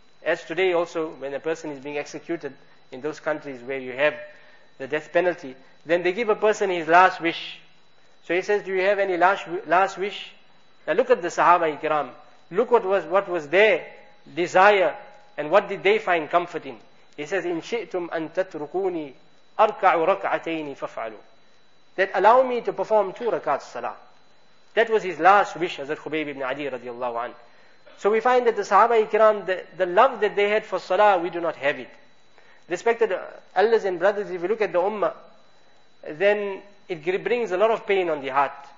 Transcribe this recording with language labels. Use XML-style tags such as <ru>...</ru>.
<en>As today also, when a person is being executed in those countries where you have the death penalty, then they give a person his last wish. So he says, do you have any last wish? Now look at the sahaba ikram. Look what was their desire, and what did they find comfort in. He says,</en> <ar>إِن شِئْتُمْ أَن تَتْرُكُونِي أَرْكَعُ رَكْعَتَيْنِ فَفْعَلُوا.</ar> <en>That allow me to perform 2 rakats salah. That was his last wish, Hazrat Khubayb ibn Adi radiallahu anhu. So we find that the Sahaba Ikram, the love that they had for Salah, we do not have it. Respected elders and brothers, if you look at the Ummah, then it brings a lot of pain on the heart.</en>